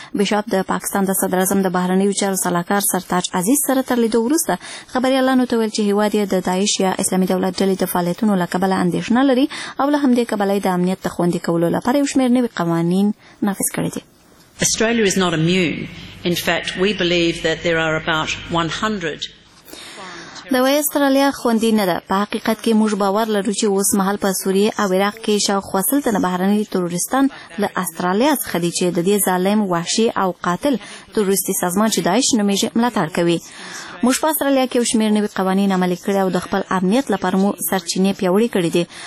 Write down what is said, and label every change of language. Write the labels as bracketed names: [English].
[Pashto] بیشاپ د پاکستان د صدر اعظم د بهرنیو چارو سلاکار سرتاج عزیز سره تر لیدو وروسته خبریالانو ته وویل چې هیواد یې د داعش یا اسلامي دولت ډلې د فعالیتونو له کبله اندېښنه لري او له همدې کبله یې د امنیت د خوندي کولو لپاره یو شمېر نوي قوانین نافذ کړي دي. [English] Australia is not immune. In fact, we believe that there are about 100. [Pashto] د استرالیا خوندی نه ده. په حقیقت کې موږ باور لرو چې اوس مهال په سوریې او عراق کې شاوخوا سل تنه بهرني تروریستان له استرالیا څخه دي چې د دې ظالم وحشي او قاتل تروریستي سازمان چې داعش نومیږي ملاتړ کوي. موږ په استرالیا کې یو شمېر نوي قوانین عملي کړي او د خپل امنیت لپاره مو سرچینې پیاوړې کړې دي.